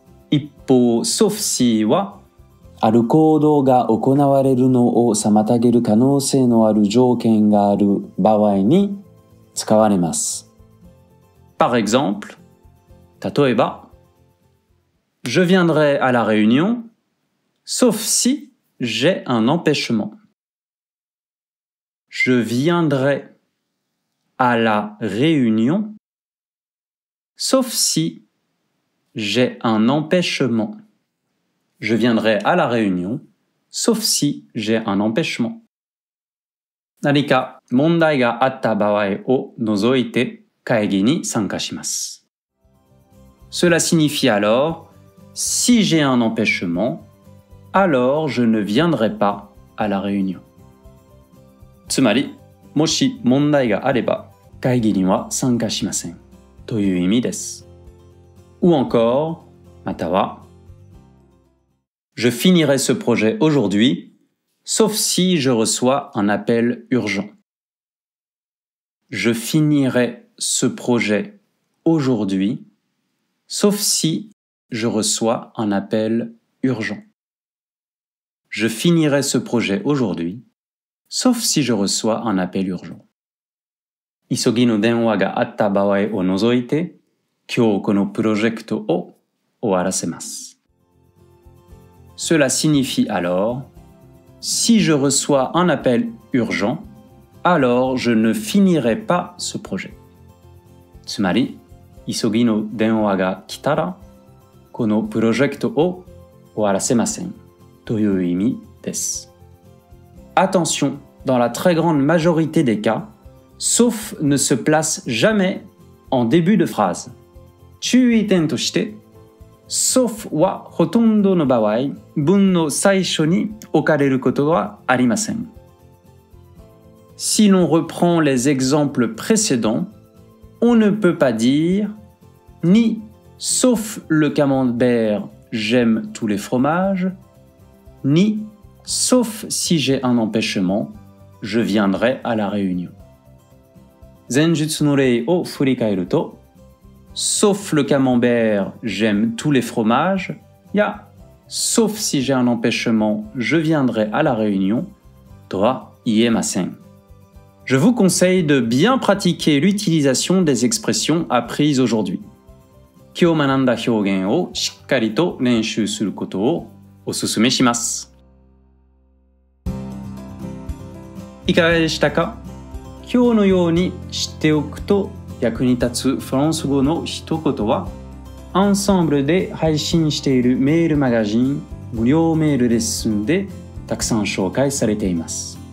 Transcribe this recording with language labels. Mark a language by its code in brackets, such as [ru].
[ja] 一方、「sauf si」は、ある行動が行われるのを妨げる可能性のある条件がある場合に使われます。 [fr] Par exemple, [ja] 例えば、 [fr] Je viendrai à la réunion, sauf si j'ai un empêchement. Je viendrai à la réunion, sauf si j'ai un empêchement. Je viendrai à la réunion, sauf si j'ai un empêchement. [ja] 何か問題があった場合を除いて会議に参加します。 [fr] Cela signifie alors, si j'ai un empêchement, alors je ne viendrai pas à la réunion. [ja] つまり、もし問題があれば会議には参加しません。という意味です。 [fr] Ou encore, [ja] または、 [fr] Je finirai ce projet aujourd'hui, sauf si je reçois un appel urgent. Je finirai ce projet aujourd'hui, sauf si je reçois un appel urgent. Je finirai ce projet aujourd'hui, sauf si je reçois un appel urgent. [ja] 急ぎの電話があった場合を除いて、今日このプロジェクトを終わらせます。 [fr] Cela signifie alors, si je reçois un appel urgent, alors je ne finirai pas ce projet. [ja] つまり、急ぎの電話が来たら、このプロジェクトを終わらせません。という意味です。 [fr] Attention, dans la très grande majorité des cas, sauf ne se place jamais en début de phrase. [ja] 注意点として、sauf はほとんどの場合、文の最初に置かれることはありません。 [fr] Si l'on reprend les exemples précédents, on ne peut pas dire ni sauf le camembert, j'aime tous les fromages, ni sauf si j'ai un empêchement, je viendrai à la réunion. [ja] 前述の例を振り返ると、 [fr] Sauf le camembert, j'aime tous les fromages. Ya, sauf si j'ai un empêchement, je viendrai à la réunion. Toi, [ja] 言えません. [fr] Je vous conseille de bien pratiquer l'utilisation des expressions apprises aujourd'hui. [ja] 今日学んだ表現をしっかりと練習することをお勧めします. いかがでしたか?今日のように知っておくと役に立つフランス語の一言は Ensemble で配信しているメールマガジン 無料メールレッスンでたくさん紹介されています.